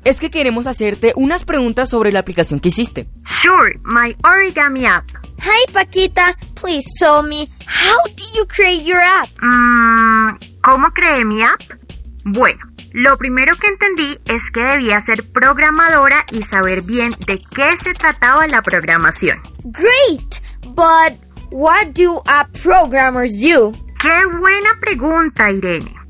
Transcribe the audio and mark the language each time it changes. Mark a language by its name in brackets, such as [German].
[Spanish] Es que queremos hacerte unas preguntas sobre la aplicación que hiciste. [English] Sure, my origami app. Hi, Paquita, please tell me, how do you create your app? [Spanish] ¿Cómo creé mi app? Bueno, lo primero que entendí es que debía ser programadora y saber bien de qué se trataba la programación. [English] Great, but what do app programmers do? [Spanish] ¡Qué buena pregunta, Irene!